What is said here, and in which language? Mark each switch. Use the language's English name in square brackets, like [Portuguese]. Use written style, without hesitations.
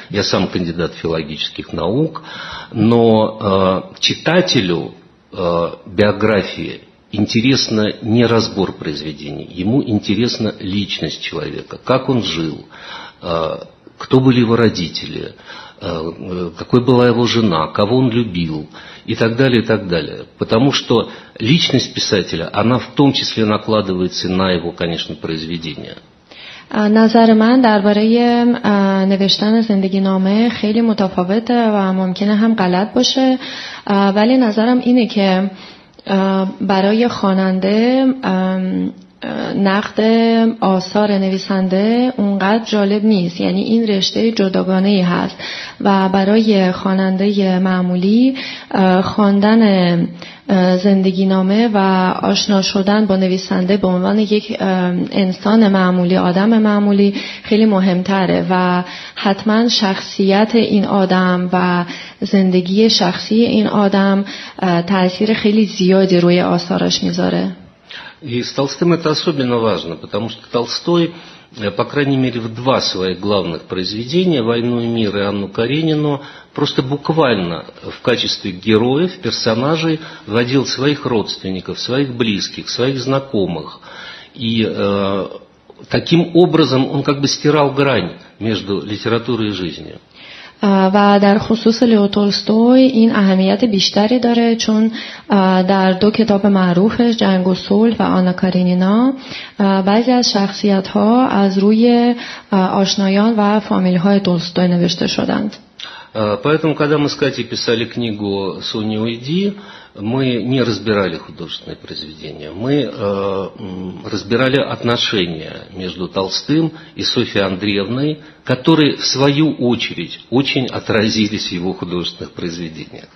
[Russian] Я сам кандидат филологических наук, но читателю биографии интересно не разбор произведений, ему интересна личность человека, как он жил, кто были его родители, какой была его жена, кого он любил и так далее, и так далее. Потому что личность писателя, она в том числе накладывается на его, конечно, произведения. [Persian] نظر من درباره نوشتن زندگی نامه خیلی متفاوته و ممکنه هم غلط باشه ولی نظرم اینه که برای خواننده نقد آثار نویسنده اونقدر جالب نیست یعنی این رشته جداگانه ای هست و برای خواننده معمولی خواندن زندگی نامه و آشنا شدن با نویسنده به عنوان یک انسان معمولی آدم معمولی خیلی مهمتره و حتما شخصیت این آدم و زندگی شخصی این آدم تأثیر خیلی زیادی روی آثارش میذاره [Russian] И с Толстым это особенно важно, потому что Толстой, по крайней мере, в два своих главных произведения «Войну и мир» и «Анну Каренину» просто буквально в качестве героев, персонажей вводил своих родственников, своих близких, своих знакомых. И таким образом он как бы стирал грань между литературой и жизнью. [Persian] و در خصوص لئو تولستوی این اهمیت بیشتری داره چون در دو کتاب معروفش جنگ و صلح و آنا کارینینا بعضی از شخصیت ها از روی آشنایان و فامیل های تولستوی نوشته شدند. [Russian] Поэтому когда мы с Катей писали книгу Соня уйди, мы не разбирали художественные произведения. Мы разбирали отношения между Толстым и Софьей Андреевной, которые в свою очередь очень отразились в его художественных произведениях.